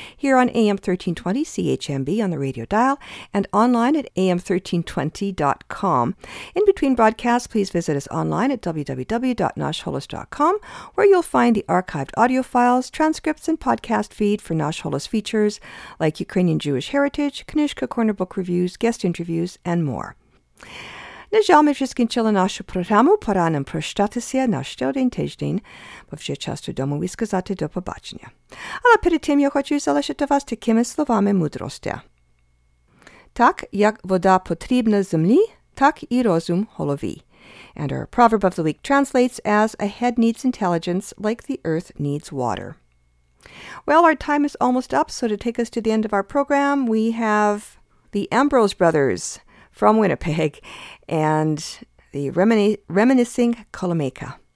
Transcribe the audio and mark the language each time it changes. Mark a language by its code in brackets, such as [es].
[en] here on AM 1320 CHMB on the radio dial and online at am1320.com. In between broadcasts, please visit us online at www.nashholos.com, where you'll find the archived audio files, transcripts, and podcast feed for Nash Holos features like Ukrainian Jewish Heritage, Knishka Corner Book Reviews, guest interviews, and more. [uk] На жаль, ми вже скінчили нашу програму. Пора нам прощатися на ще один тиждень, бо вже час додому і сказати до побачення. Але перед тим я хочу залишити вас такими словами мудрості. Так, як вода потрібна землі, так і розум голові. [en] And our proverb of the week translates as, a head needs intelligence like the earth needs water. Well, our time is almost up, so to take us to the end of our program, we have the Ambrose Brothers from Winnipeg, and the reminiscing Kolomeka.